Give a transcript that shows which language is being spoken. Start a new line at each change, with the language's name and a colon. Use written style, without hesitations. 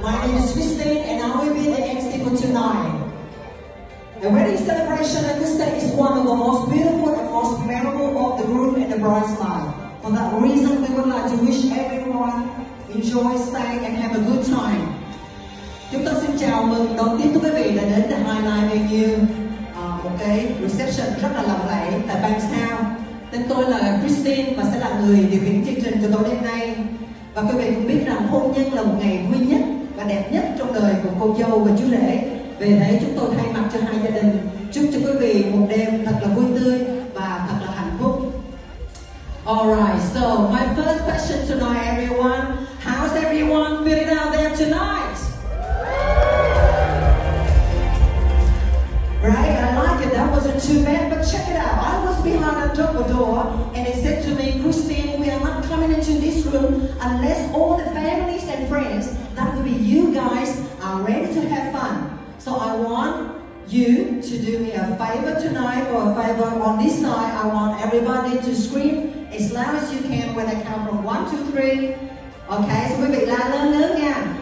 English: My name is Christine and I will be the MC for tonight. The wedding celebration, I could say, is one of the most beautiful and most memorable of the groom and the bride's life. For that reason, we would like to wish everyone enjoy, stay and have a good time.
Vietnamese: Chúng ta xin chào mừng đón tiếp quý vị đã đến
English: the online venue.
Vietnamese: Một cái reception rất là lộng lẫy tại Bang Sound. Tên tôi là Christine và sẽ là người điều khiển chương trình của tối đêm nay. Và quý vị cũng biết rằng hôn nhân là một ngày vui nhất và đẹp nhất trong đời của cô dâu và chú rể. Vì thế chúng tôi thay mặt cho hai gia đình chúc cho quý vị một đêm thật là vui tươi và thật là hạnh phúc.
English: Alright, so my first question tonight everyone. How's everyone feeling out there tonight? Right, I like it, that wasn't too bad, but check it out. I was behind a double door and they said to me, Christine, we are not coming into this room unless all the families and friends, that would be you guys, are ready to have fun. So I want you to do me a favor tonight or a favor on this side. I want everybody to scream as loud as you can when I count from 1, 2, 3. Okay, so
Vietnamese: quý vị la lớn lớn nha.